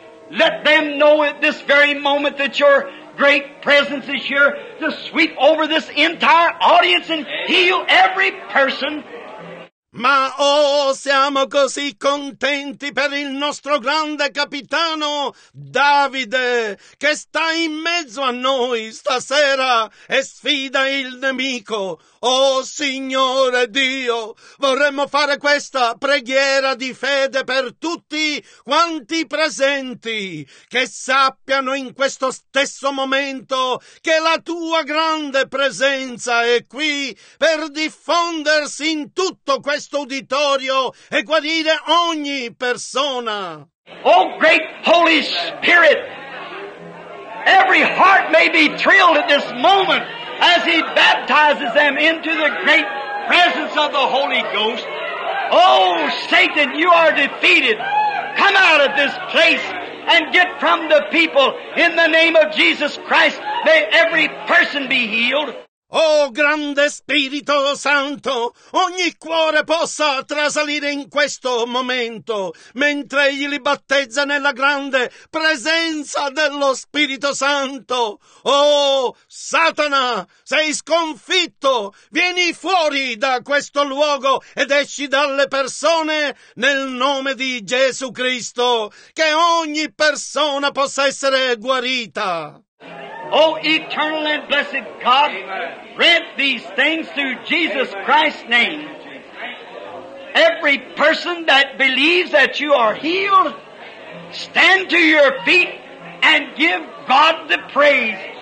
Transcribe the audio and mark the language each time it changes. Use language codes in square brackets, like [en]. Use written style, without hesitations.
[en] Let them know at this very moment that your great presence is here to sweep over this entire audience and heal every person. [it] Ma oh, siamo così contenti per il nostro grande capitano Davide che sta in mezzo a noi stasera e sfida il nemico. Oh Signore Dio, vorremmo fare questa preghiera di fede per tutti quanti presenti, che sappiano in questo stesso momento che la tua grande presenza è qui per diffondersi in tutto questo uditorio e guarire ogni persona. [en] Oh great Holy Spirit, every heart may be thrilled at this moment as he baptizes them into the great presence of the Holy Ghost. Oh, Satan, you are defeated. Come out of this place and get from the people. In the name of Jesus Christ, may every person be healed. [it] Oh, grande Spirito Santo, ogni cuore possa trasalire in questo momento, mentre egli li battezza nella grande presenza dello Spirito Santo. Oh, Satana, sei sconfitto, vieni fuori da questo luogo ed esci dalle persone nel nome di Gesù Cristo, che ogni persona possa essere guarita. [en] Oh, eternal and blessed God, grant these things through Jesus Christ's name. Every person that believes that you are healed, stand to your feet and give God the praise.